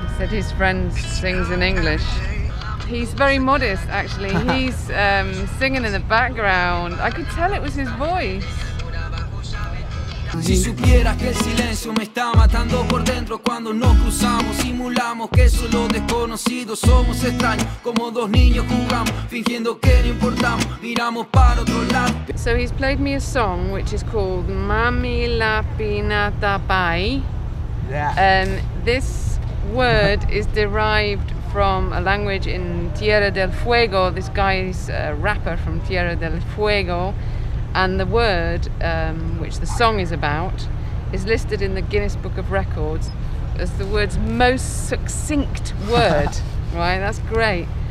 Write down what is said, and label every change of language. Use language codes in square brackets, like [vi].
[en] His friend sings in English. He's very modest, actually. He's singing in the background. I could tell it was his voice. [es] Si supiera que el silencio me está matando por dentro cuando nos cruzamos, simulamos que solo desconocidos somos extraños, como dos niños jugamos fingiendo que no importamos, miramos para otro lado. [en] So he's played me a song which is called Mamihlapinatapai. This word is derived from a language in Tierra del Fuego. This guy's a rapper from Tierra del Fuego, and the word which the song is about is listed in the Guinness Book of Records as the world's most succinct word. Right, that's great.